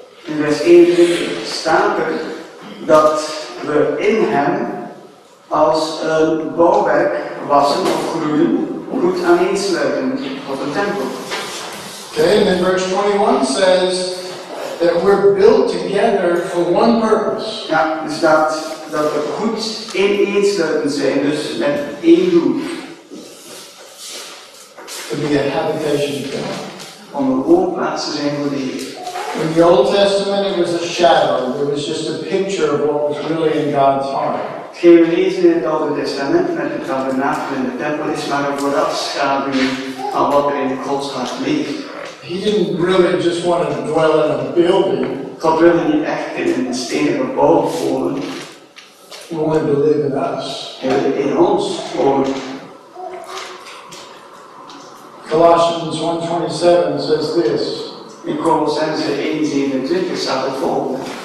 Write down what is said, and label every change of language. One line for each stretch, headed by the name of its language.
Dutch: In vers 21 staat er dat we in hem als een bouwwerk wassen of groeien, goed aaneensluiten op een tempel.
English: Okay, and then verse 21 says that we're built together for one purpose.
Dutch: Ja, dus dat we goed ineensluiten zijn, dus met één doel.
English: To be a habitation of God.
Dutch: Om een woonplaats te zijn voor de Heer.
English: In the Old Testament it was a shadow. It was just a picture of what was really in God's heart.
Dutch: Hetgeen we lezen in het Oude Testament met de tabernakel en de tempel is maar een voorafschaduwing van wat er in Gods hart leeft.
English: He didn't really just want to dwell in a building.
Dutch: God wilde niet echt in een stenen gebouw wonen.
English: He wanted to live in us.
Dutch: Hij wilde in ons wonen.
English: Colossians 1:27 says this.
Dutch: In Colossians 1:27 staat het volgende.